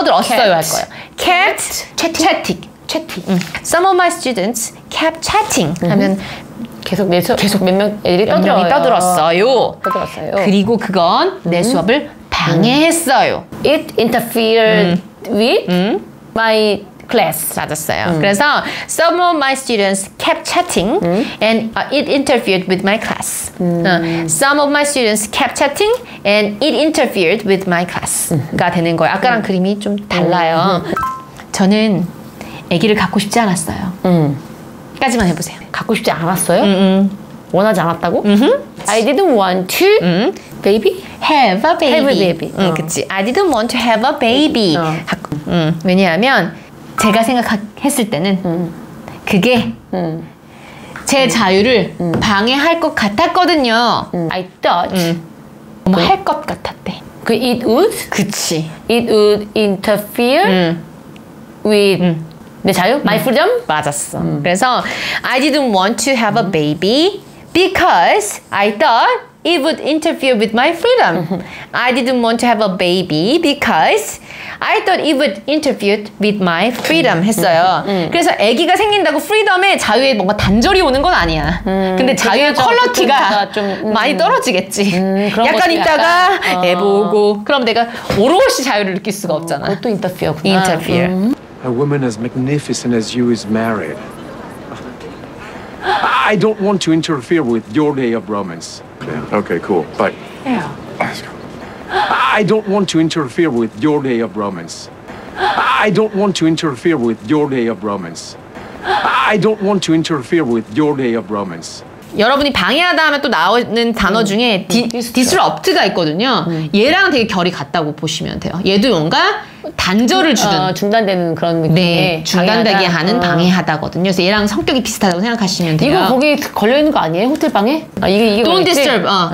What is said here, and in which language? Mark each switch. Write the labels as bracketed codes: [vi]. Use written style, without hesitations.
[en] 떠들었어요 할 거예요. Kept chatting. Some of my students kept chatting 하면 [ko] 계속 내 수업 계속 몇 명 애들이 떠들어요. 떠들었어요. 떠들었어요. 그리고 그건 내 수업을 방해했어요. [en] It interfered with my class. [ko] 맞았어요. [en] 그래서 some of my students kept chatting and it interfered with my class. Some of my students kept chatting and it interfered with my class 가 되는 거예요. [ko] 아까랑 그림이 좀 달라요. 저는 아기를 갖고 싶지 않았어요. 까지만 해보세요. [en] 갖고 싶지 않았어요? 원하지 않았다고? I didn't want to baby? Have a baby. Have a baby. 그치. I didn't want to have a baby. [ko] 왜냐하면 제가 생각했을 때는 그게 제 자유를 방해할 것 같았거든요. [en] I thought [ko] 뭐 할 것 같았대. [en] 그 it would? [ko] 그치. [en] It would interfere with 내 자유? My freedom? 맞았어. 그래서 I didn't want to have a baby because I thought it would interfere with my freedom. Mm-hmm. I didn't want to have a baby because I thought it would interfere with my freedom 했어요. [ko] 그래서 아기가 생긴다고 freedom의 자유에 뭔가 단절이 오는 건 아니야. 근데 자유의 퀄리티가 좀 많이 떨어지겠지. 그런 약간 있다가 애보고 그럼 내가 오롯이 자유를 느낄 수가 없잖아. 그것도 interfere구나. [en] Interfere. A woman as magnificent as you is married. I don't want to interfere with your day of romance. Yeah. Okay, cool. Bye. Yeah. I don't want to interfere with your day of romance. I don't want to interfere with your day of romance. I don't want to interfere with your day of romance. [ko] 여러분이 방해하다 하면 또 나오는 단어 중에 disrupt가 있거든요. 얘랑 되게 결이 같다고 보시면 돼요. 얘도 뭔가 단절을 주는 중단되는 그런 느낌의 네, 중단되게 방해하다. 하는 방해하다거든요. 그래서 얘랑 성격이 비슷하다고 생각하시면 돼요. 이거 거기에 걸려있는 거 아니에요? 호텔방에? 아, 이게 [en] Don't 뭐겠지? disturb.